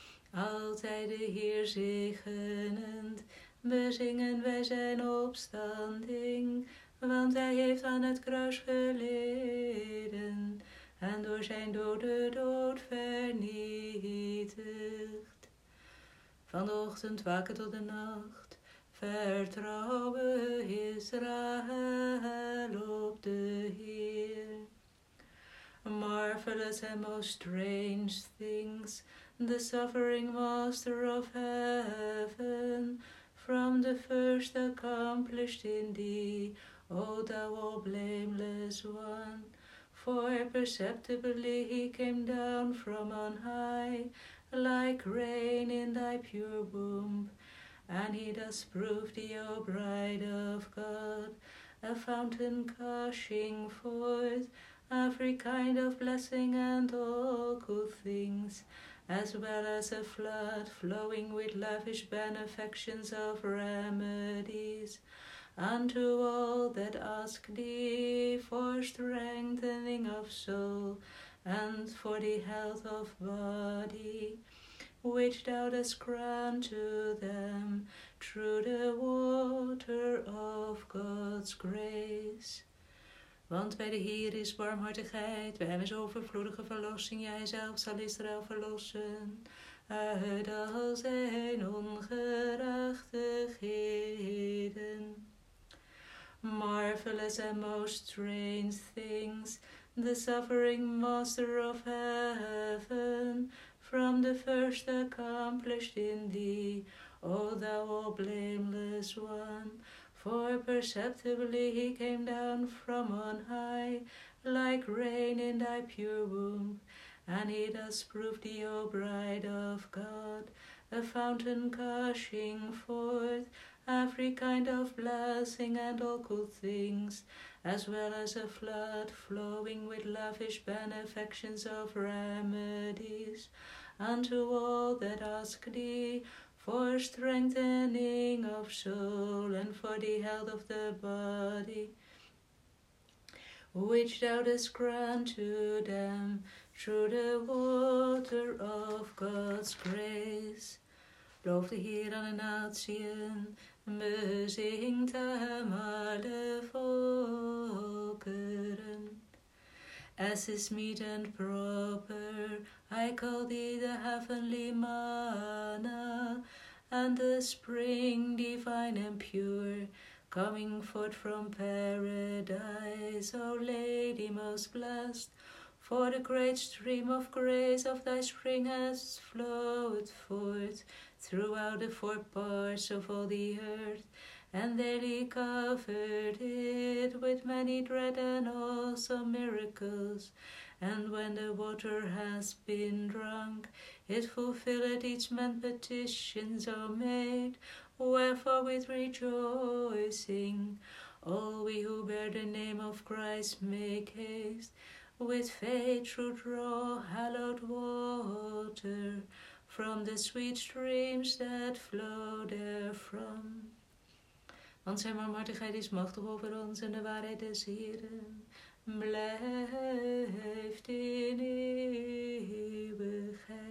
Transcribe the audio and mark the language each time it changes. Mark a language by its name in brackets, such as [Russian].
[Dutch] Altijd de Heer zegenend, bezingen wij zijn opstanding, want hij heeft aan het kruis geleden en door zijn dode dood vernietigd. Van de ochtend waken tot de nacht, vertrouwen Israël op de Heer. [English] Marvelous and most strange things, the suffering master of heaven, from the first accomplished in thee, O thou all blameless one. For perceptibly he came down from on high, like rain in thy pure womb, and he does prove thee, O bride of God, a fountain gushing forth every kind of blessing and all good things, as well as a flood flowing with lavish benefactions of remedies unto all that ask thee for strengthening of soul and for the health of body, which thou dost grant to them through the water of God's grace. [Dutch] Want bij de Heer is barmhartigheid, bij hem is overvloedige verlossing. Jij zelf zal Israël verlossen uit al zijn ongerechtigheden. [English] Marvelous and most strange things, the suffering master of heaven, from the first accomplished in thee, O thou all blameless one. For perceptibly he came down from on high, like rain in thy pure womb, and he does prove thee, O bride of God, a fountain gushing forth every kind of blessing and all good things, as well as a flood flowing with lavish benefactions of remedies unto all that ask thee for strengthening of soul and for the health of the body, which thou dost grant to them through the water of God's grace. [Dutch] Loof de Heer aan de natiën, bezingt hem alle volkeren. [English] As is meet and proper, I call thee the heavenly manna, and the spring divine and pure, coming forth from paradise, O Lady most blessed, for the great stream of grace of thy spring has flowed forth throughout the four parts of all the earth, and daily covered it with many dread and awesome miracles. And when the water has been drunk, it fulfilleth each man's petitions are made. Wherefore, with rejoicing, all we who bear the name of Christ make haste, with faith to draw hallowed water from the sweet streams that flow therefrom. [Dutch] Want zijn barmhartigheid is machtig over ons en de waarheid des Heren blijft in eeuwigheid.